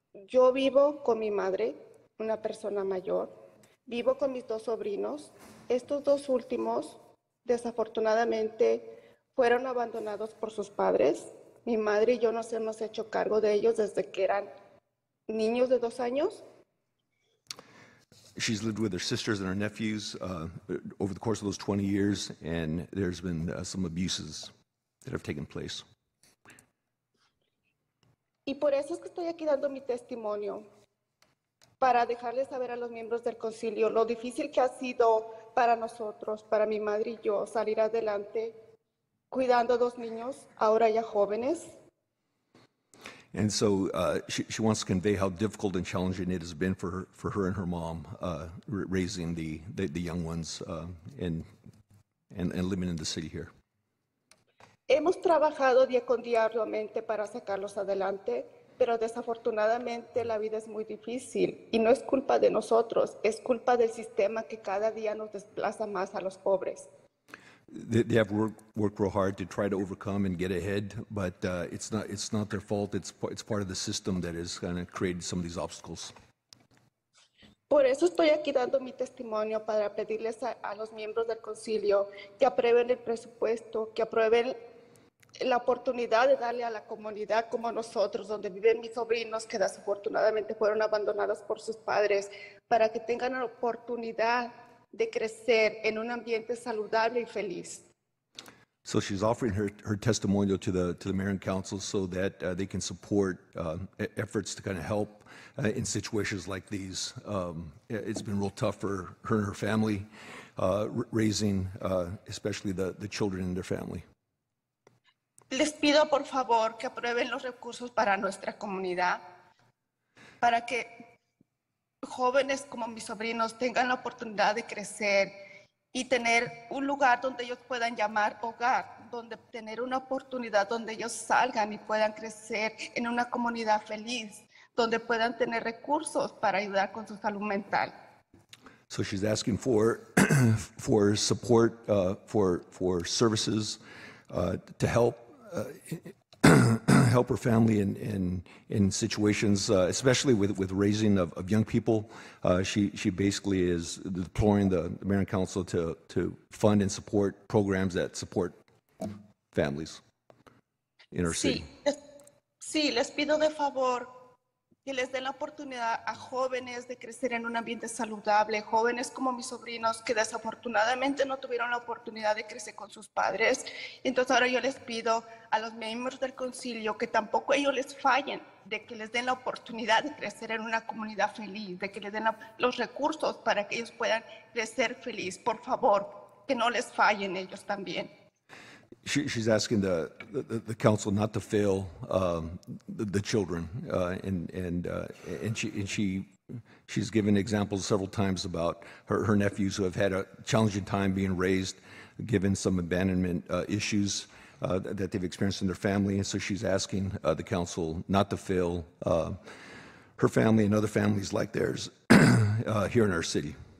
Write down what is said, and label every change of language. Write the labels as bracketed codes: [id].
[es] Yo vivo con mi madre, una persona mayor. Vivo con mis dos sobrinos. Estos dos últimos, desafortunadamente, fueron abandonados por sus padres. Mi madre y yo nos hemos hecho cargo de ellos desde que eran niños de 2 años. [en] She's lived with her sisters and her nephews over the course of those 20 years, and there's been some abuses that have taken place. [es] Y por eso es que estoy aquí dando mi testimonio, para dejarles saber a los miembros del concilio lo difícil que ha sido para nosotros, para mi madre y yo, salir adelante cuidando a dos niños, ahora ya jóvenes. [en] And so she wants to convey how difficult and challenging it has been for her and her mom raising the young ones and living in the city here. [es] Hemos trabajado día con día arduamente para sacarlos adelante, pero desafortunadamente la vida es muy difícil y no es culpa de nosotros, es culpa del sistema que cada día nos desplaza más a los pobres. [en] They have worked real hard to try to overcome and get ahead, but it's not their fault. It's part of the system that has kind of created some of these obstacles. [es] Por eso estoy aquí dando mi testimonio para pedirles a los miembros del concilio que aprueben el presupuesto, que aprueben la oportunidad de darle a la comunidad como nosotros, donde viven mis sobrinos, que desafortunadamente fueron abandonados por sus padres, para que tengan la oportunidad de crecer en un ambiente saludable y feliz. [en] So she's offering her testimonial to the mayor and council so that they can support efforts to kind of help in situations like these. It's been real tough for her and her family, raising especially the children and their family. [es] Les pido por favor que aprueben los recursos para nuestra comunidad, para que jóvenes como mis sobrinos tengan la oportunidad de crecer y tener un lugar donde ellos puedan llamar hogar, donde tener una oportunidad donde ellos salgan y puedan crecer en una comunidad feliz, donde puedan tener recursos para ayudar con su salud mental. [en] So she's asking for for support for services to help help her family in situations, especially with raising of young people. She basically is deploring the mayor and council to fund and support programs that support families in her city. [es] Sí, les pido de favor que les den la oportunidad a jóvenes de crecer en un ambiente saludable, jóvenes como mis sobrinos que desafortunadamente no tuvieron la oportunidad de crecer con sus padres. Entonces ahora yo les pido a los miembros del concilio que tampoco ellos les fallen, de que les den la oportunidad de crecer en una comunidad feliz, de que les den los recursos para que ellos puedan crecer feliz. Por favor, que no les fallen ellos también. [en] She's asking the council not to fail the children, and she's given examples several times about her nephews who have had a challenging time being raised, given some abandonment issues that they've experienced in their family, and so she's asking the council not to fail her family and other families like theirs here in our city.